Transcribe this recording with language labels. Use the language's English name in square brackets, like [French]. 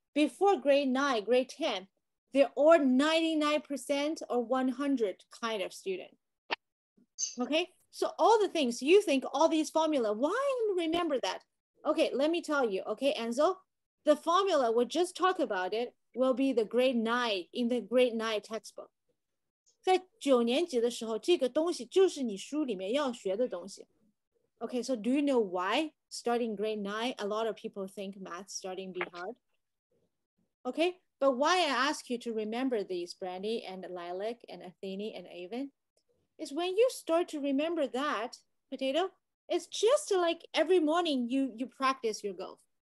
[English] Before grade 9, grade 10, they're all 99% or 100 kind of student. Okay, so all the things you think, all these formula, why remember that? Okay, let me tell you, okay, Enzo, the formula we just talk about it will be the grade 9 in the grade 9 textbook. [Chinese] 在九年级的时候，这个东西就是你书里面要学的东西。 [English] Okay, so do you know why starting grade 9, a lot of people think math starting be hard? Okay, but why I ask you to remember these, Brandy and Lilac and Athene and Avon, is when you start to remember that, Potato, it's just like every morning you practice your golf.